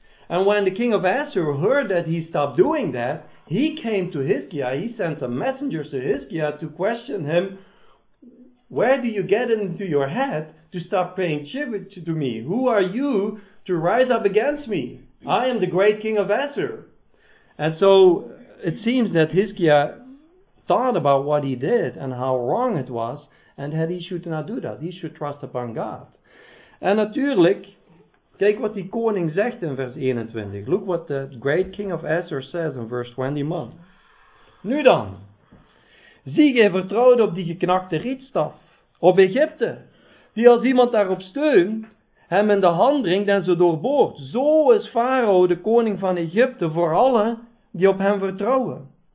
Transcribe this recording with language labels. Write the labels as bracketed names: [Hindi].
[English] And when the king of Assur heard that he stopped doing that, he came to Hiskia, he sent some messengers to Hiskia to question him, where do you get into your head to stop paying tribute to me? Who are you to rise up against me? I am the great king of Assur. And so it seems that Hiskia thought about what he did and how wrong it was, and that he should not do that. He should trust upon God. [Dutch] And natuurlijk, kijk wat die koning zegt in vers 21. [English] Look what the great king of Assur says in verse 21. [Dutch] Nu dan. Zie, gij vertrouwde op die geknakte rietstaf. Op Egypte. Die als iemand daarop steunt, hem in de hand dringt en ze doorboort. Zo is Farao de koning van Egypte voor allen die op hem vertrouwen.